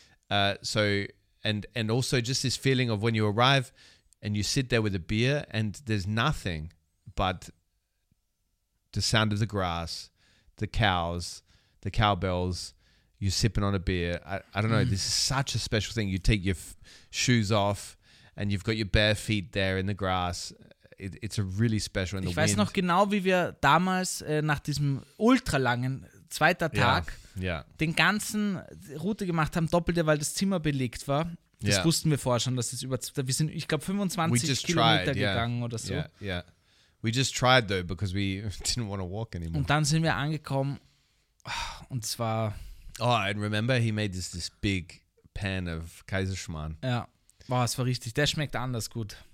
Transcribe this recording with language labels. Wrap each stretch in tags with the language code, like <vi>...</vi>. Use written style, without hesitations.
<en>And also just this feeling of when you arrive and you sit there with a beer and there's nothing but the sound of the grass, the cows, the cowbells, you're sipping on a beer. I don't know, this is such a special thing. You take your shoes off. And you've got your bare feet there in the grass. it's a really special.</en> <de>Ich weiß noch genau, wie wir damals nach diesem ultralangen zweiten Tag den ganzen Route gemacht haben, doppelte, weil das Zimmer belegt war. Das wussten wir vorher schon, dass es über, wir sind, ich glaube, 25 Kilometer gegangen oder so.</de> <en>We just tried though, because we didn't want to walk anymore.</en> <de>Und dann sind wir angekommen und zwar...</de> <en>Oh, and remember, he made this big pan of Kaiserschmarrn.</en> <de>Ja, wow, es war richtig. Der schmeckt anders gut.</de>